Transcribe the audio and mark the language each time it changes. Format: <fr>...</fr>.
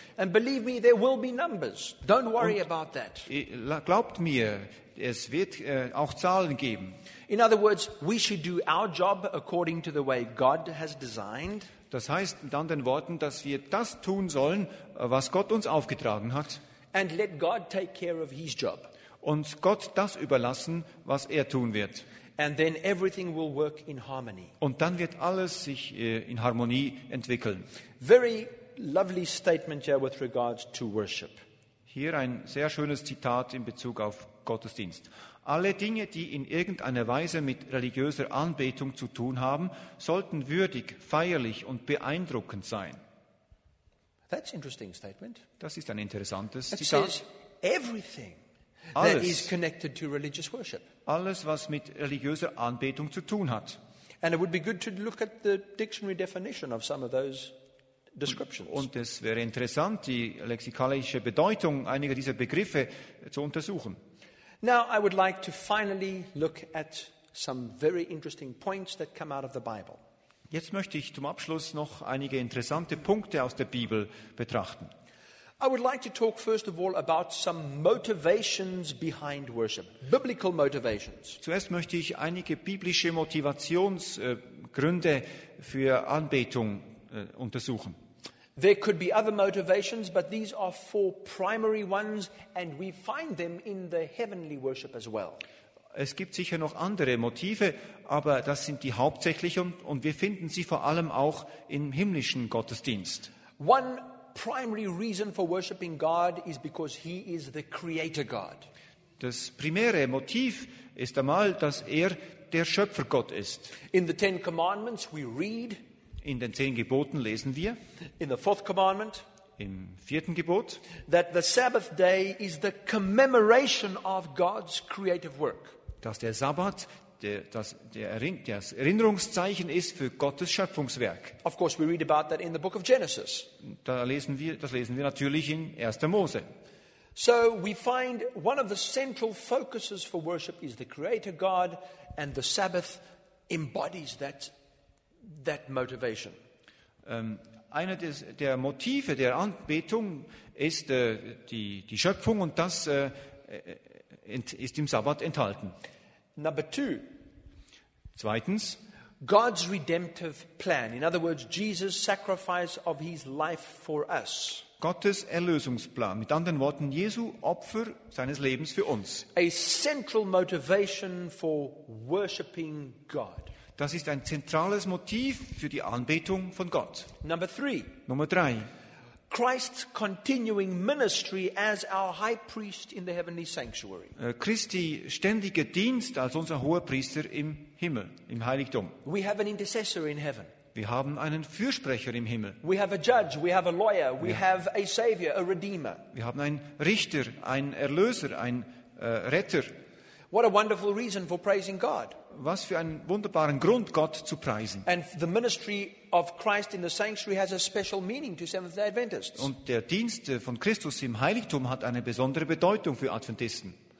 <en>And believe me, there will be numbers. Don't worry about that.</en> <de>Glaubt mir, es wird auch Zahlen geben.</de> <en>In other words, we should do our job according to the way God has designed.</en> <de>Das heißt in anderen Worten, dass wir das tun sollen, was Gott uns aufgetragen hat.</de> <en>And let God take care of his job.</en> <de>Und Gott das überlassen, was er tun wird.</de> <en>And then everything will work in harmony.</en> <de>Und dann wird alles sich in Harmonie entwickeln.</de> <en>Very lovely statement here with regards to worship.</en> <de>Hier ein sehr schönes Zitat in Bezug auf Gottesdienst. Alle Dinge, die in irgendeiner Weise mit religiöser Anbetung zu tun haben, sollten würdig, feierlich und beeindruckend sein.</de> <en>That's an interesting statement.</en> <de>Das ist ein interessantes</de> <en>It</en> <de>Zitat.</de> <en>Says everything</en> <de>alles,</de> <en>that is connected to religious worship.</en> <de>Alles, was mit religiöser Anbetung zu tun hat.</de> <en>And it would be good to look at the dictionary definition of some of those descriptions.</en> <de>Und es wäre interessant, die lexikalische Bedeutung einiger dieser Begriffe zu untersuchen.</de> <en>Now I would like to finally look at some very interesting points that come out of the Bible.</en> <de>Jetzt möchte ich zum Abschluss noch einige interessante Punkte aus der Bibel betrachten.</de> <en>I would like to talk first of all about some motivations behind worship, biblical motivations.</en> <de>Zuerst möchte ich einige biblische Motivationsgründe für Anbetung untersuchen.</de> <en>There could be other motivations, but these are four primary ones, and we find them in the heavenly worship as well.</en> <de>Es gibt sicher noch andere Motive, aber das sind die hauptsächlichen, und wir finden sie vor allem auch im himmlischen Gottesdienst.</de> <en>One primary reason for worshiping God is because he is the creator God.</en> <de>Das primäre Motiv ist einmal, dass er der Schöpfergott ist.</de> <en>In the Ten Commandments we read,</en> <de>in den Zehn Geboten lesen wir,</de> <en>in the fourth commandment,</en> <de>im vierten Gebot,</de> <en>that the Sabbath day is the commemoration of God's creative work.</en> <de>Dass der Sabbat das Erinnerungszeichen ist für Gottes Schöpfungswerk.</de> <en>Of course we read about that in the book of Genesis.</en> <de>Das lesen wir natürlich in 1. Mose.</de> <en>So we find one of the central focuses for worship is the creator God, and the Sabbath embodies that motivation.</en> <de>Einer der Motive der Anbetung ist die Schöpfung, und das ist im Sabbat enthalten.</de> <en>Number two.</en> <de>Zweitens,</de> <en>God's redemptive plan. In other words, Jesus' sacrifice of his life for us.</en> <de>Gottes Erlösungsplan. Mit anderen Worten, Jesu Opfer seines Lebens für uns.</de> <en>A central motivation for worshiping God.</en> <de>Das ist ein zentrales Motiv für die Anbetung von Gott.</de> <en>Number three.</en> <de>Nummer drei.</de> <en>Christ's continuing ministry as our high priest in the heavenly sanctuary.</en> <de>Christi ständiger Dienst als unser hoher Priester im Himmel, im Heiligtum.</de> <en>We have an intercessor in heaven.</en> <de>Wir haben einen Fürsprecher im Himmel.</de> <en>We have a judge, we have a lawyer, we have a savior, a redeemer.</en> <de>Wir haben einen Richter, einen Erlöser, einen Retter.</de> <en>What a wonderful reason for praising God.</en> <de>Was für einen wunderbaren Grund, Gott zu preisen.</de> <en>And the ministry of Christ in the sanctuary has a special meaning to Seventh-day Adventists.</en> <de>Und der Dienst von Christus im Heiligtum hat eine besondere Bedeutung für Adventisten.</de>